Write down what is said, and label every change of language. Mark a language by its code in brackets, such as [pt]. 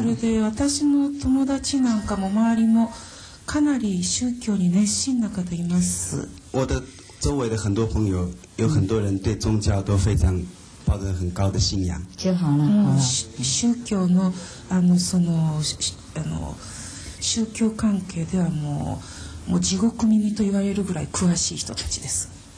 [ja] それで私の友達なんかも周りもかなり宗教に熱心な方います。 [zh] 我的周围的很多朋友有很多人对宗教都非常抱着很高的信仰就好了、嗯、 [ja] 宗教 の, あ の, その, あの宗教関係ではもう地獄耳と言われるぐらい詳しい人たちです。